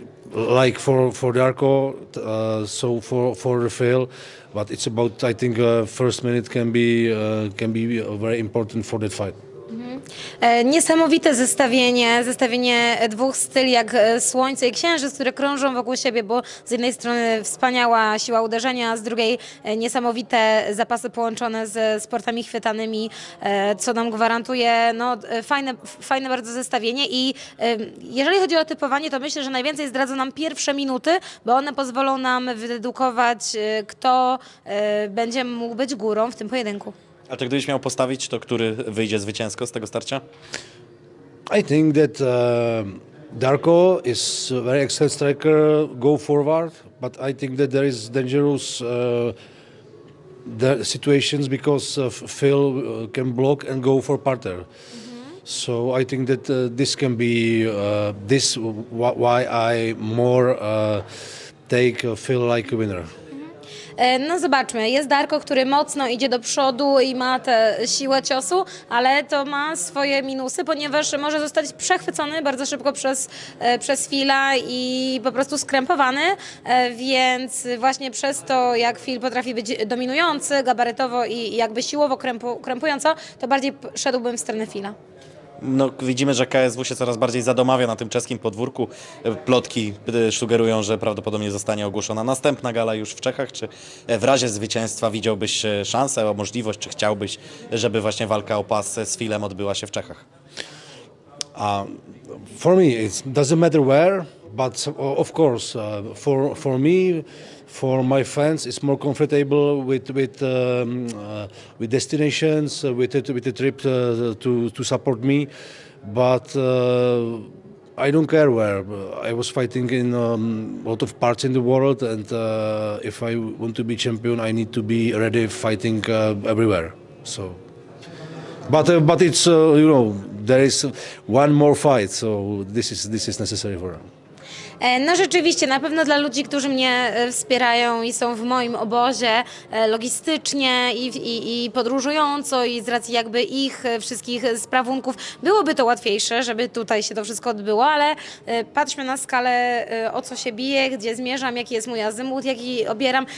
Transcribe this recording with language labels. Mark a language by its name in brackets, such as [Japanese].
[English] Like for Darko, so for Rafael, but it's about, I think, first minute can be very important for that fight. [Polish] Niesamowite zestawienie dwóch styli jak słońce i księżyc, które krążą wokół siebie, bo z jednej strony wspaniała siła uderzenia, a z drugiej niesamowite zapasy połączone ze sportami chwytanymi, co nam gwarantuje fajne bardzo zestawienie. I jeżeli chodzi o typowanie, to myślę, że najwięcej zdradzą nam pierwsze minuty, bo one pozwolą nam wydedukować, kto będzie mógł być górą w tym pojedynku. A czy gdybyś miał postawić, to który wyjdzie zwycięsko z tego starcia? [English] I think that Darko is a very excellent striker, go forward, but I think that there is dangerous situations because Phil can block and go for parter. So I think that this can be this why I more take Phil like a winner. [Polish] No zobaczmy, jest Darko, który mocno idzie do przodu i ma tę siłę ciosu, ale to ma swoje minusy, ponieważ może zostać przechwycony bardzo szybko przez Phila i po prostu skrępowany, więc właśnie przez to, jak Phil potrafi być dominujący gabaretowo i jakby siłowo krępująco, to bardziej szedłbym w stronę Phila. No, widzimy, że KSW się coraz bardziej zadomawia na tym czeskim podwórku. Plotki sugerują, że prawdopodobnie zostanie ogłoszona następna gala już w Czechach. Czy w razie zwycięstwa widziałbyś szansę, o możliwość, czy chciałbyś, żeby właśnie walka o pas z Filem odbyła się w Czechach? [English] For me it doesn't matter where, but of course for me, for my fans, it's more comfortable with destinations, with a trip to support me. But I don't care where. I was fighting in a lot of parts in the world, and if I want to be champion, I need to be ready fighting everywhere. So, but it's you know, there is one more fight, so this is necessary for them. [Polish] No rzeczywiście, na pewno dla ludzi, którzy mnie wspierają i są w moim obozie logistycznie i podróżująco i z racji jakby ich wszystkich sprawunków, byłoby to łatwiejsze, żeby tutaj się to wszystko odbyło, ale patrzmy na skalę, o co się bije, gdzie zmierzam, jaki jest mój azymut, jaki obieram.